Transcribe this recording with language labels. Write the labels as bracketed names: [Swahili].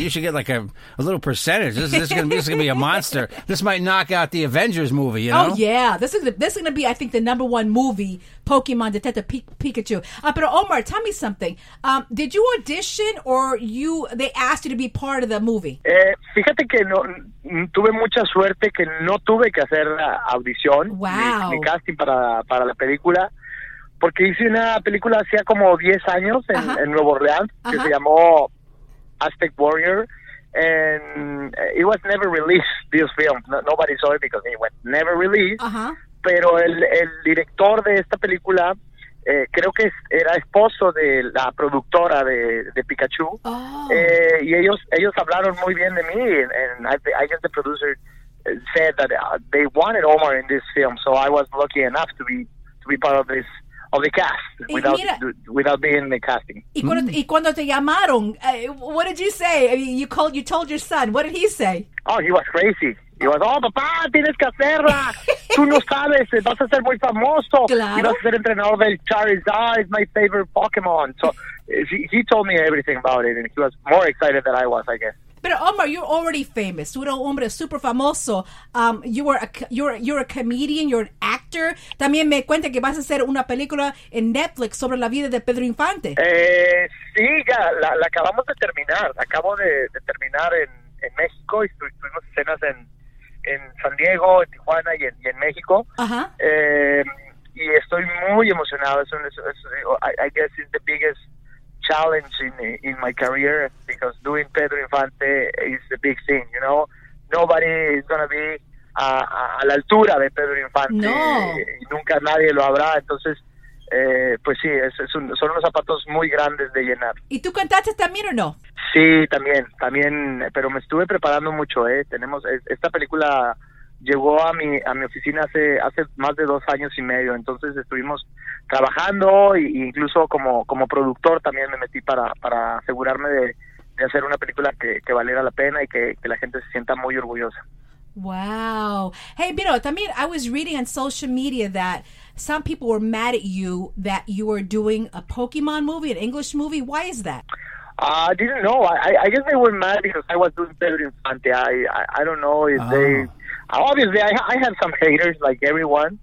[English] You should get like a little percentage. This is gonna be a monster. This might knock out the Avengers movie. You know? Oh yeah, this is gonna be I think the number one movie. Pokemon Detective Pikachu. But Omar, tell me something. Did you audition or they asked you to be part of the movie? [Spanish] Fíjate que no tuve mucha suerte que no tuve que hacer audición. [English] Wow. [Spanish] Ni casting para la película. Porque hice una película hacía como 10 años en Nuevo Orleans que se llamó Aztec Warrior. [English] And it was never released, this film. Nobody saw it because it was never released. [Spanish] Pero el director de esta película, creo que era esposo de la productora de Pikachu. [English] Oh. [Spanish] Y ellos hablaron muy bien de mí. [English] And I guess the producer said that they wanted Omar in this film. So I was lucky enough to be part of the cast without being in the casting. [Spanish] Y cuando te llamaron, [English] what did you say? You told your son. What did he say? Oh, he was crazy. [Spanish] Y yo, oh, papá, tienes que hacerla. Tú no sabes, vas a ser muy famoso. Claro. Y vas a ser entrenador del Charizard, [English] it's my favorite Pokemon. So he told me everything about it, and he was more excited than I was, I guess. [Spanish] Pero Omar, [English] you're already famous. [Spanish] Tú eres un hombre super famoso. [English] You're a comedian, you're an actor. [Spanish] También me cuenta que vas a hacer una película en Netflix sobre la vida de Pedro Infante. Sí, ya, la acabamos de terminar. Acabo de terminar en México, y tuvimos escenas en San Diego, en Tijuana y en México. Y estoy muy emocionado. [English] I guess it's the biggest challenge in my career, because doing Pedro Infante is a big thing, you know. Nobody is going to be [Spanish] a la altura de [English] Pedro Infante. [Spanish] No. Y nunca nadie lo habrá. Entonces, pues sí, son unos zapatos muy grandes de llenar. ¿Y tú cantaste también o no? Sí, también, pero me estuve preparando mucho, ¿eh? Tenemos, esta película llegó a mi oficina hace más de 2 años y medio, entonces estuvimos trabajando, e incluso como productor también me metí para asegurarme de hacer una película que valiera la pena y que la gente se sienta muy orgullosa. [English] Wow. Hey, Biro, también, I was reading on social media that some people were mad at you that you were doing a Pokemon movie, an English movie. Why is that? I didn't know. I guess they were mad because I was doing Pedro Infante. I don't know if they... Obviously, I have some haters, like everyone.